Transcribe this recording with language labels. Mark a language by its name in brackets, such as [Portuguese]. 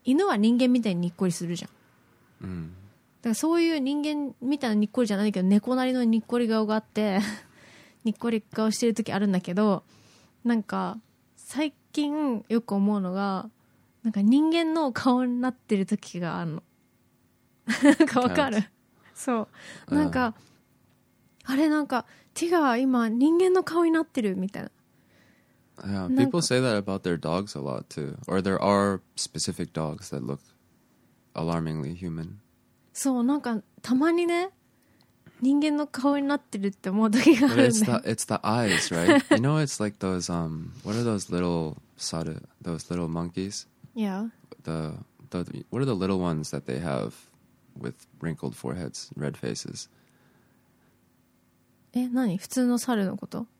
[Japanese] 犬は人間みたいににっこりするじゃん。だからそういう人間みたいなにっこりじゃないけど、猫なりのにっこり顔があってにっこり顔してる時あるんだけど、なんか最近よく思うのが、なんか人間の顔になってる時があるの。なんかわかる。そう、なんかあれ、なんかティガー今人間の顔になってるみたいな。 [English] Yeah, people say that about their dogs a lot too. Or there are specific dogs that look alarmingly human. [Japanese] そう、なんかたまにね、人間の顔になってるって思う時があるね。 [English] It's the eyes, right? You know, it's like those what are those little monkeys? Yeah. What are the little ones that they have with wrinkled foreheads, red faces? [Japanese] え、何？普通の猿のこと？